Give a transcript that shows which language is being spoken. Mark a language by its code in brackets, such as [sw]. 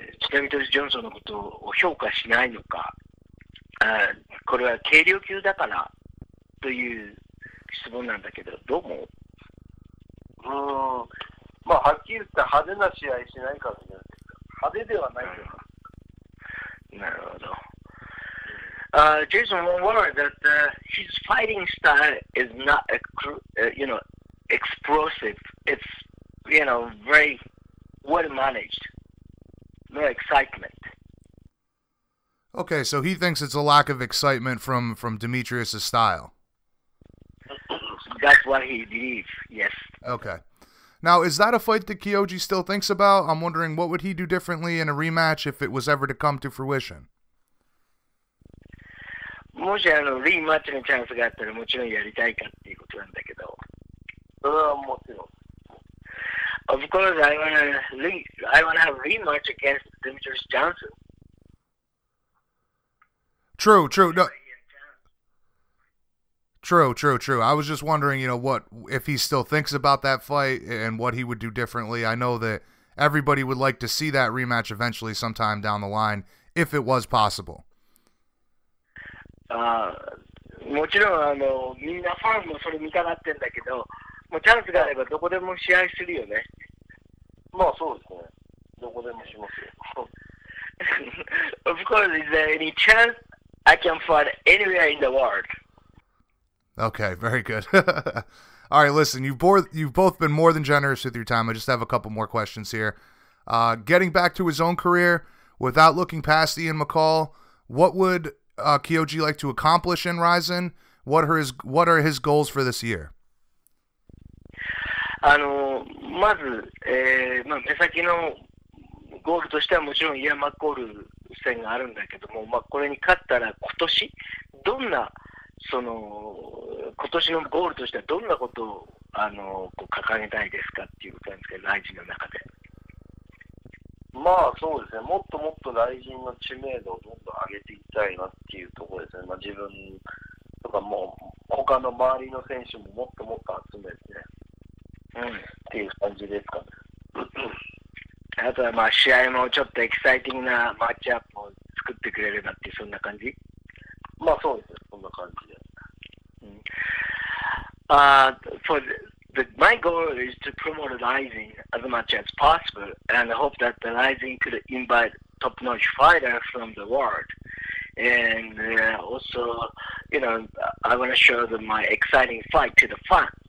[ja] 北見トリス・ジョンソンのことを評価しないのか、あ、これは軽量級だからという質問なんだけど、どう思う？まあ、はっきり言って派手な試合しないからじゃないですか。派手ではないですか。なるほど。 [en] Jason, don't worry that his fighting style is not, you know, explosive. It's, you know, very well managed. No excitement. Okay, so he thinks it's a lack of excitement from Demetrius' style. That's what he believes, yes. Okay. Now, is that a fight that Kyoji still thinks about? I'm wondering, what would he do differently in a rematch if it was ever to come to fruition? もしあのリーマッチのチャンスがあったらもちろんやりたいかっていうことなんだけど、それはもちろん。 Of course, I wanna have rematch against Demetrius Johnson. True. No. True. I was just wondering, you know, what if he still thinks about that fight and what he would do differently. I know that everybody would like to see that rematch eventually, sometime down the line, if it was possible. [ja] もちろんあのみんなファンもそれ見たがってんだけど、もうチャンスがあればどこでも試合するよね。まあそうですね。どこでもしますよ。 [en] Of course, is there any chance I can fight anywhere in the world? Okay, very good. All right, listen, you've both been more than generous with your time. I just have a couple more questions here. Getting back to his own career, without looking past Ian McCall, what would Kyoji like to accomplish in Ryzen? What are his goals for this year? [ja] あのまず、まあ、目先のゴールとしてはもちろんイアン・マッコール戦があるんだけども、まあ、これに勝ったら今年どんなその今年のゴールとしてはどんなことをあのこう掲げたいですかっていう感じで Ryzen の中で。まあそうですね、もっともっとライジンの知名度をどんどん上げていきたいなっていうところですね。まあ、自分とかもう他の周りの選手ももっともっと集めて、ね、うん、っていう感じですかね。あとはまあ試合もちょっとエキサイティングなマッチアップを作ってくれればっていう、そんな感じ。まあそうですね、そんな感じで、うん、 [en] My goal is to promote Rising as much as possible, and I hope that the Rising could invite top-notch fighters from the world. And also, you know, I want to show them my exciting fight to the fans.